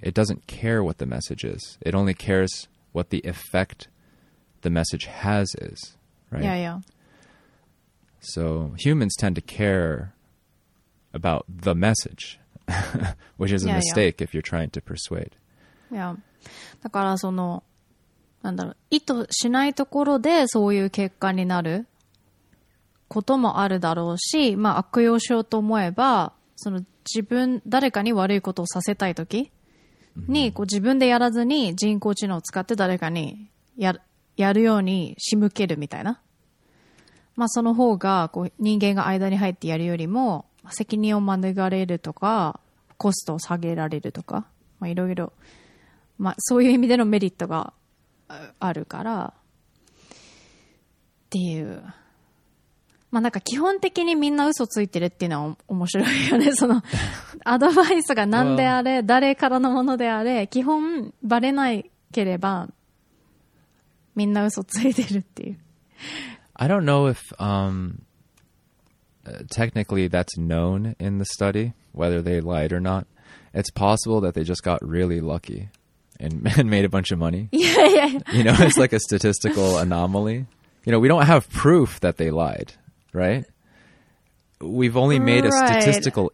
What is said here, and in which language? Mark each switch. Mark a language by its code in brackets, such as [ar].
[en] It doesn't care what the message is. It only cares what the effect the message has is, right? Yeah, yeah. So humans tend to care about the message, which is a yeah, mistake yeah. if you're trying to persuade. Yeah. [ja] だからそのなんだろう、意図しないところでそういう結果になる。こともあるだろうし、まあ、悪用しようと思えばその自分誰かに悪いことをさせたいときにこう自分でやらずに人工知能を使って誰かに やるように仕向けるみたいな、まあ、その方がこう人間が間に入ってやるよりも責任を免れるとかコストを下げられるとかいろいろそういう意味でのメリットがあるからっていう、まあ、なんか基本的にみんな嘘ついてるっていうのは面白いよね。そのアドバイスが何であれ、誰からのものであれ、基本バレないければみんな嘘ついてるっていう。 [en] I don't know if technically that's known in the study, whether they lied or not. It's possible that they just got really lucky and made a bunch of money. Yeah, yeah, yeah. You know, it's like a statistical anomaly. You know, we don't have proof that they lied. Right? We've only made a statistical right.